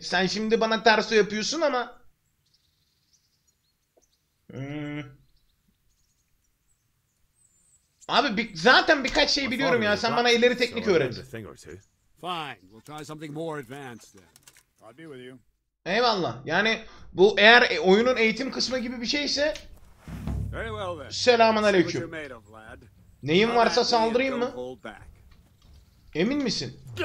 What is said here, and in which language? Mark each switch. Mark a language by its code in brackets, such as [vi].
[tr] Sen şimdi bana terso yapıyorsun ama. Abi zaten birkaç şey biliyorum ya. Sen bana ileri teknik öğretin. [en] Fine, we'll try something more advanced then. I'll be with you. [tr] Eyvallah. Yani bu eğer oyunun eğitim kısmı gibi bir şeyse, selamun aleyküm. Neyim varsa saldırayım mı? Emin misin?